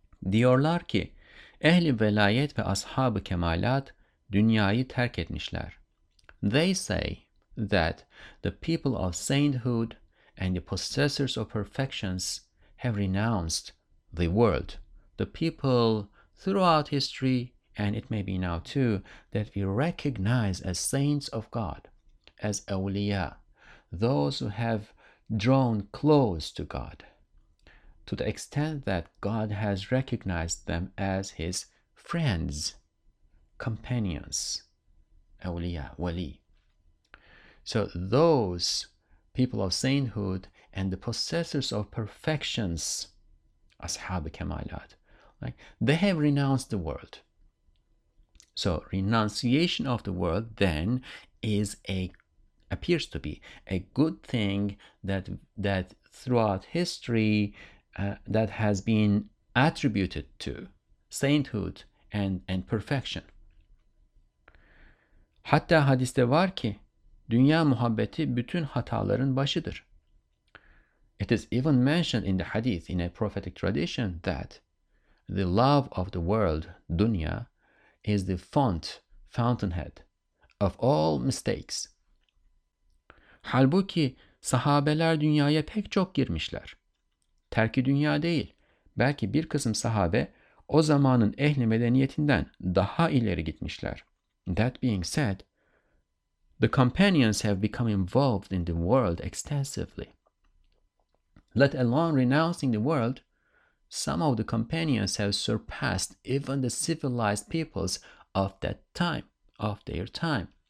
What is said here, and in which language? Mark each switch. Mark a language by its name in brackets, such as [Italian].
[Turkish] Diyorlar ki, ehli velayet ve ashab-ı kemalat dünyayı terk etmişler. [English] They say that the people of sainthood and the possessors of perfections have renounced the world. The people throughout history, and it may be now too, that we recognize as saints of God, as awliya, those who have drawn close to God, to the extent that God has recognized them as his friends, companions, awliya, wali. So those people of sainthood and the possessors of perfections, ashab-i kemalat, right? They have renounced the world. So renunciation of the world then is appears to be a good thing that throughout history that has been attributed to sainthood and perfection. [Turkish] Hatta hadiste var ki dünya muhabbeti bütün hataların başıdır. [English] It is even mentioned in the hadith in a prophetic tradition that the love of the world, dunya, is the fountainhead of all mistakes. [Turkish] Halbuki sahabeler dünyaya pek çok girmişler. Terki dünya değil, belki bir kısım sahabe o zamanın ehli medeniyetinden daha ileri gitmişler. [English] That being said, the companions have become involved in the world extensively. Let alone renouncing the world, some of the companions have surpassed even the civilized peoples of that time, of their time.